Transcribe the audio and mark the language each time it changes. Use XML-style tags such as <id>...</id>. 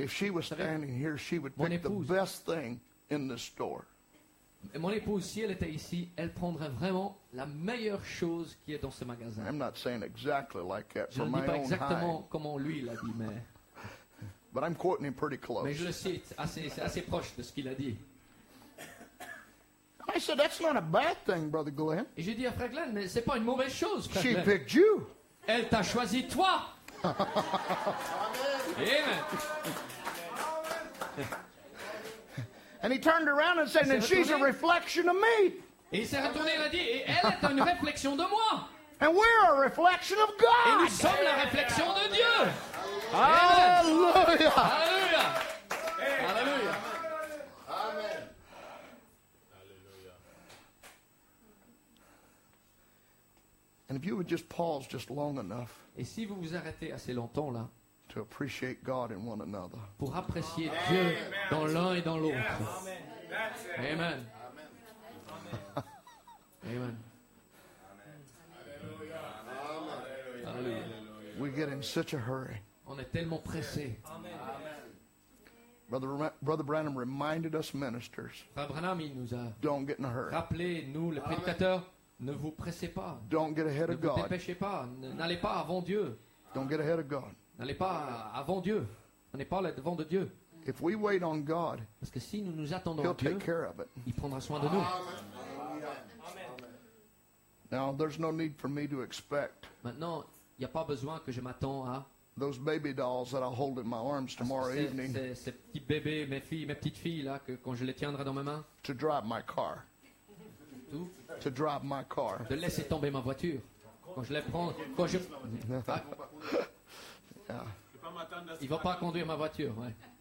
<en>If she was standing here, she would pick the best thing in the store.</en> <fr>Et mon épouse, si elle était ici, elle prendrait vraiment la meilleure chose qui est dans ce magasin.</fr> <en>I'm not saying exactly like that</en> <fr>Je</fr> <en>for my own</en> <fr>Je ne dis pas exactement comment lui l'a dit, mais.</fr> <en>But I'm quoting him pretty close.</en> <fr>Mais je le cite assez proche de ce qu'il a dit.</fr> <en>I said, that's not a bad thing, Brother Glenn.</en> <fr>Et j'ai dit à frère Glenn, mais c'est pas une mauvaise chose, frère</fr> <en>She</en> <fr>Glenn.</fr> <en>Picked you.</en> <fr>Elle t'a choisi toi.</fr> <en>Amen. Amen. And he turned around and said, and she's a reflection of me.</en> <fr>Et il s'est retourné et il a dit, et elle est une réflexion de moi. And we're a reflection of God. Et nous sommes la réflexion de Dieu. Alléluia. Alléluia. Alléluia. Amen. Alléluia.</fr> <en>And if you would just pause just long enough.</en> <fr>Et si vous vous arrêtez assez longtemps là.</fr> <en>To appreciate God in one another.</en> <fr>Pour apprécier Amen. Dieu dans l'un et dans l'autre.</fr> <en>Yes. Amen. Amen. Amen. Amen. We get in such a hurry.</en> <fr>On est tellement pressé.</fr> <en>Brother Branham reminded us ministers.</en> <fr>Frère Branham, il nous a</fr> <en>don't get in a hurry.</en> <fr>Rappelez nous les prédicateurs, ne vous pressez pas.</fr> <en>Don't get ahead of God.</en> <fr>Ne vous dépêchez pas. N'allez pas avant Dieu.</fr> <en>Don't get ahead of God.</en> <fr>N'allez pas avant Dieu. On n'est pas là devant de Dieu.</fr> <en>If we wait on God,</en> <fr>parce que si nous nous attendons</fr> <en>He'll</en> <fr>à Dieu,</fr> <en>take care of it.</en> <fr>Il prendra soin de nous.</fr> <en>Amen. Now there's no need for me to expect.</en> <fr>Maintenant. Il n'y a pas besoin que je m'attends à</fr> <en>those baby dolls that I'll hold in my arms tomorrow evening.</en> <fr>Ces petits bébés, mes filles, mes petites filles là, que quand je les tiendrai dans mes mains.</fr> <en>To drive my car.</en> <fr>Tout.</fr> <en>To drive my car.</en> <fr>De laisser tomber ma voiture quand je les prends. Quand je.</fr> <en>Yeah.</en> <fr>Il ne va pas conduire ma voiture, ouais.</fr>